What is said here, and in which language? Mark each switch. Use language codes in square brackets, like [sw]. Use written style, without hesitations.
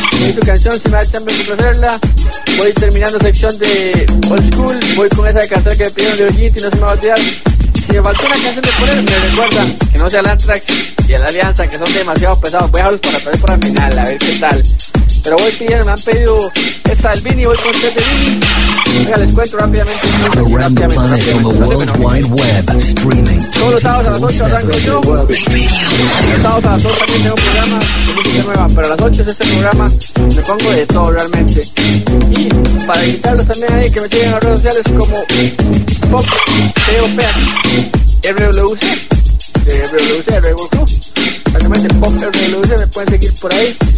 [es] Y tu canción, si me da chance de hacerla. Voy terminando sección de Old School. Voy con esa de cantar que me pidieron de Ollito y no se me va a olvidar. Si me faltó una canción de poner, me recuerda que no sea el Antrax y el Alianza, que son demasiado pesados. Voy a dejarlos para perder por la final, a ver qué tal. Pero voy pidiendo, me han pedido esa del Vini, voy con usted de Vini. Venga, les cuento rápidamente. [en] Around the planet, on the World Wide Web, streaming. [es] Todos los sábados a las 8 arranco yo. Los sábados a las 8 también tengo un programa nueva, pero a las 8 es ese programa, me pongo de todo realmente. Y para invitarlos también ahí, que me sigan en las redes sociales como Pop, P.O.P. R.W.C. R.W.C. R.W.C. Exactamente, Pop, R.W.C. Me pueden seguir por ahí.